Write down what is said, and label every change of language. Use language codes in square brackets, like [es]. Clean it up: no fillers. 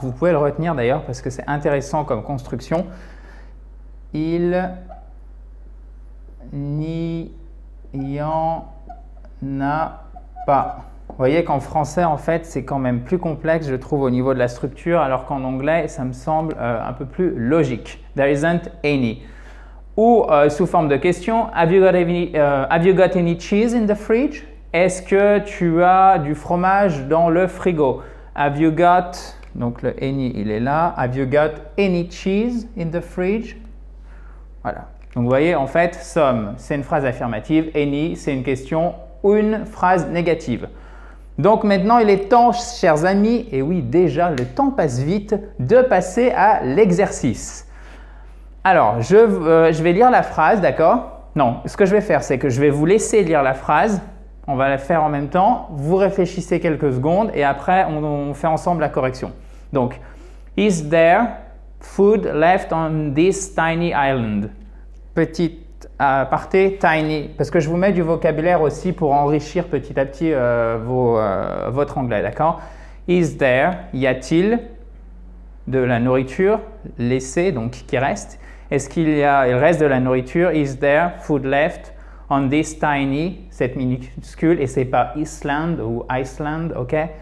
[fr] Vous pouvez le retenir d'ailleurs parce que c'est intéressant comme construction. Il n'y en a pas. Vous voyez qu'en français, en fait, c'est quand même plus complexe, je trouve, au niveau de la structure, alors qu'en anglais, ça me semble un peu plus logique. [en] There isn't any. [fr] Ou sous forme de question, [en] have you got any cheese in the fridge? [fr] Est-ce que tu as du fromage dans le frigo? [en] Have you got, [fr] donc le any il est là, [en] have you got any cheese in the fridge? Voilà. [fr] Donc vous voyez, en fait, somme, c'est une phrase affirmative, any, c'est une question ou une phrase négative. Donc maintenant, il est temps, chers amis, et oui, déjà, le temps passe vite, de passer à l'exercice. Alors, je vais lire la phrase, d'accord? Non, ce que je vais faire, c'est que je vais vous laisser lire la phrase. On va la faire en même temps. Vous réfléchissez quelques secondes et après, on fait ensemble la correction. [en] Donc, is there food left on this tiny island? [fr] Petit aparté, tiny. Parce que je vous mets du vocabulaire aussi pour enrichir petit à petit votre anglais, d'accord? [en] Is there, [fr] y a-t-il de la nourriture laissée, donc qui reste? Est-ce qu'il y a, il reste de la nourriture? [en] Is there food left on this tiny, [fr] cette minuscule, et c'est pas Island ou Iceland, ok?